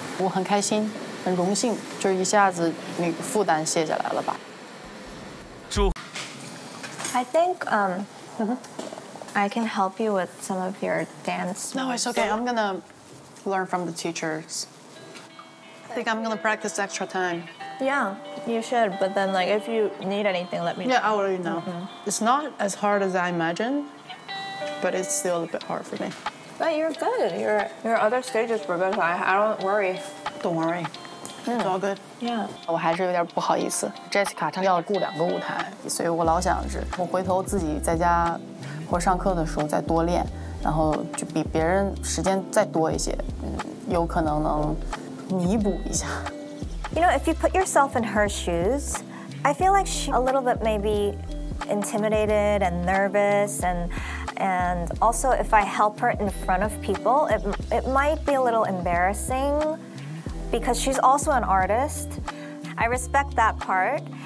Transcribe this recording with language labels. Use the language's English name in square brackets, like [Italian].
[Chinese] 我很开心，很荣幸，就是一下子那个负担卸下来了吧。祝。 [English] I think I can help you with some of your dance. No, it's okay. I'm gonna learn from the teachers. I think I'm gonna practice extra time. Yeah, you should. But then, like, if you need anything, let me know. Yeah, I already know. Mm-hmm. It's not as hard as I imagined, but it's still a bit hard for me. But you're good. Your other stages were good. I don't worry. Don't worry. It's all good. Yeah. [Chinese] 我还是有点不好意思。 Jessica 她要雇两个舞台，所以我老想着我回头自己在家或上课的时候再多练，然后就比别人时间再多一些，有可能能弥补一下。 [English] You know, if you put yourself in her shoes, I feel like she's a little bit maybe intimidated and nervous, and also if I help her in front of people, it might be a little embarrassing. Because she's also an artist. I respect that part.